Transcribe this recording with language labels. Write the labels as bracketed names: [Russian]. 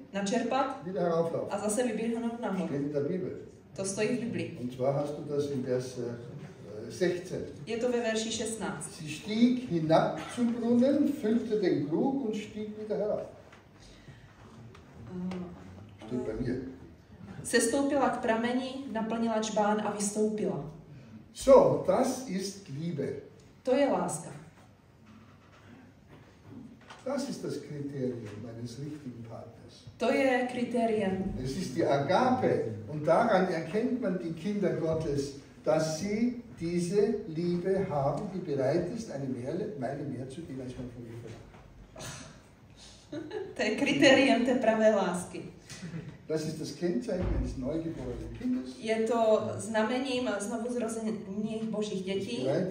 [Czech] Načerpat. [German] Wieder herauflaufen. [Czech] A zase vyběhnout nahoru. [German] Steht in der Bibel. [Czech] To stojí v Biblii. [German] Und zwar hast du das in Vers 16. [Czech] Je to ve verši 16. [German] Sie stieg hinab zum Brunnen, füllte den Krug und stieg wieder herauf. Steht bei mir. [Czech] Sestoupila k prameni, naplnila čbán a vystoupila. [German] So, das ist Liebe. [Czech] To je láska. [German] Das ist das Kriterium meines richtigen Partners. [Czech] To je kriterium. [German] Es ist die Agape und daran erkennt man die Kinder Gottes, dass sie diese Liebe haben, die bereit ist, meine mehr zu geben, als man von mir verlangt. [Czech] To je kriterium té pravé lásky. [German] Das ist das Kennzeichen eines neugeborenen Kindes. [Czech] Je to znamením znovu zrozených Božích dětí.